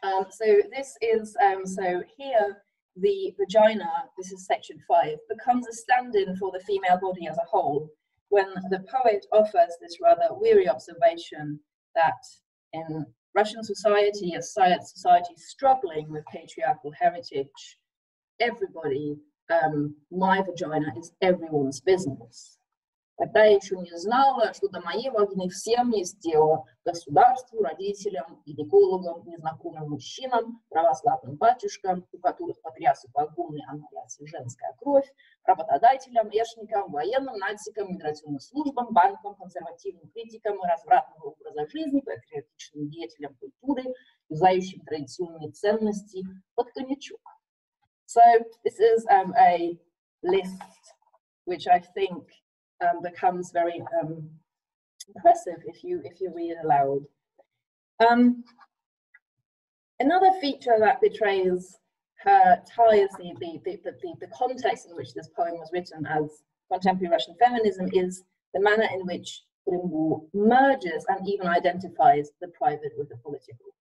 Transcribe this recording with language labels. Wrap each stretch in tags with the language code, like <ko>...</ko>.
<en>So here, the vagina, this is section 5, becomes a stand-in for the female body as a whole when the poet offers this rather weary observation that in Russian society, a science society struggling with patriarchal heritage, everybody, my vagina is everyone's business.</en> <ru>Тогда я еще не знала, что до моей вагины всем есть дело: государству, родителям, гинекологам, незнакомым мужчинам, православным батюшкам, у которых потрясы погоны, а нравится женская кровь, работодателям, эшникам, военным, нацикам, миграционным службам, банкам, консервативным критикам и развратного образа жизни, патриотичным деятелям культуры, юзающим традиционные ценности под коньячок.</ru> <en>So this is a list which I think becomes very impressive if you read it aloud. Another feature that betrays her ties, the context in which this poem was written as contemporary Russian feminism, is the manner in which Rymbu merges and even identifies the private with the political.</en>